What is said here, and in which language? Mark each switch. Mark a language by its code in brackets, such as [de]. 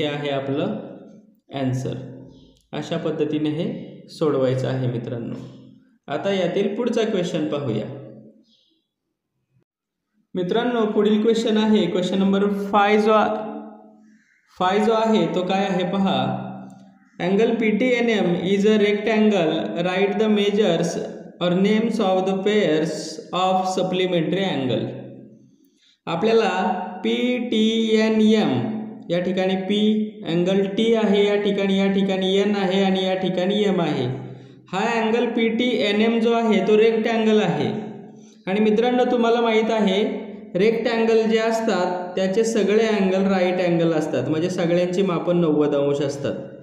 [mr] हे आहे आपलं ॲन्सर। अशा पद्धतीने हे सोडवायचं आहे मित्रांनो। आता यातील पुढचा क्वेश्चन पाहूया मित्रांनो। पुढील क्वेश्चन आहे क्वेश्चन नंबर 5। जो आहे तो काय आहे पहा। [en] Angle P T N M is a rectangle, write the measures or names of the pairs of supplementary angle. [mr] आपल्याला पी टी एन एम, या ठिकाणी पी अँगल टी आहे, या ठिकाणी, या ठिकाणी एन आहे आणि या ठिकाणी एम आहे। हा angle P T N M जो आहे तो रेक्टँगल आहे। आणि मित्रांनो तुम्हाला माहीत आहे रेक्टँगल जे असतात त्याचे सगळे अँगल राईट अँगल असतात, म्हणजे सगळ्यांची मापन 90 अंश असतात।